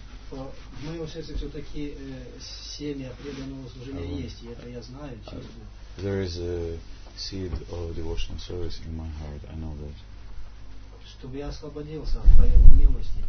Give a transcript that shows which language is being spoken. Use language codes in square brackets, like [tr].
[ru] в моем сердце все-таки семя преданного служения есть, и это я знаю. [en] There is a seed of devotional service in my heart. I know that. [ru] Чтобы я освободился от твоей милости.